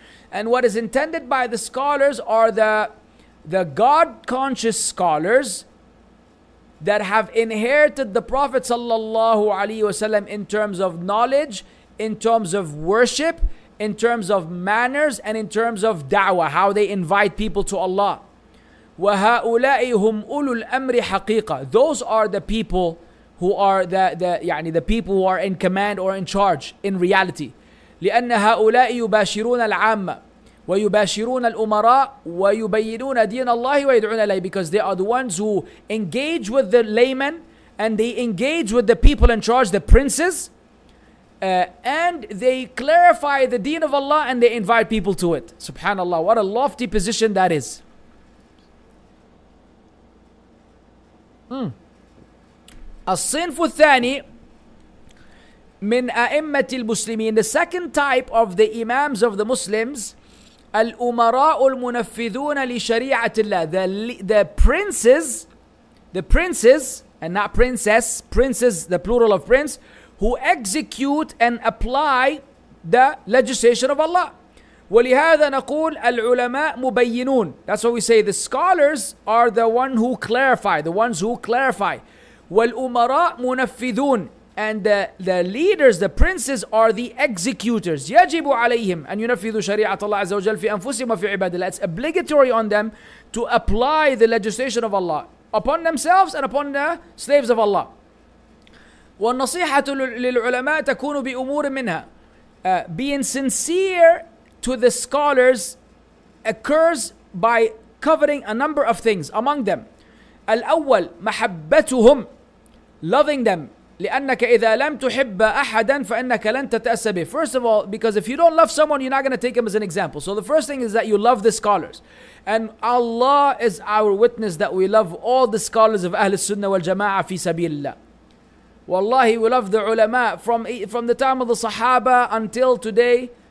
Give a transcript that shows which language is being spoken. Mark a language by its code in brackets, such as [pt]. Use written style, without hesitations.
[en] And what is intended by the scholars are the God-conscious scholars that have inherited the Prophet sallallahu alaihi wasallam in terms of knowledge, in terms of worship, in terms of manners, and in terms of da'wah, how they invite people to Allah. [ar] وَهَؤُلَاءِ هُمْ أُولُو الْأَمْرِ حَقِيقًا. [en] Those are the people who are the people who are in command or in charge in reality. [ar] لأن هؤلاء يباشرون العامة ويباشرون الأمراء ويبينون دين الله ويدعون إليه. [en] Because they are the ones who engage with the laymen and they engage with the people in charge, the princes, and they clarify the deen of Allah and they invite people to it. Subhanallah, what a lofty position that is. [ar] الصنف الثاني من أئمة المسلمين. [en] The second type of the imams of the Muslims, [ar] الأمراء المنفذون لشريعة الله. [en] The princes, and not princess, princes, the plural of prince, who execute and apply the legislation of Allah. [ar] ولهذا نقول العلماء مبينون. [en] That's what we say. The scholars are the one who clarify, the ones who clarify. [ar] والأمراء منفذون. [en] And the leaders, the princes, are the executors. [ar] يجب عليهم أن ينفذوا شريعة الله عز وجل في أنفسهم وفي عباد الله. [en] It's obligatory on them to apply the legislation of Allah upon themselves and upon the slaves of Allah. [ar] والنصيحة للعلماء تكون بأمور منها. [en] Being sincere to the scholars occurs by covering a number of things. Among them, [ar] الأول محبتهم, [en] loving them. [ar] لأنك إذا لم تحب أحدا فإنك لن تتأسى به. [en] First of all, because if you don't love someone, you're not going to take him as an example. So the first thing is that you love the scholars. And Allah is our witness that we love all the scholars of Ahl Sunnah wal Jama'ah [ar] في سبيل الله. [en] Wallahi, we love the ulama from the time of the Sahaba until today.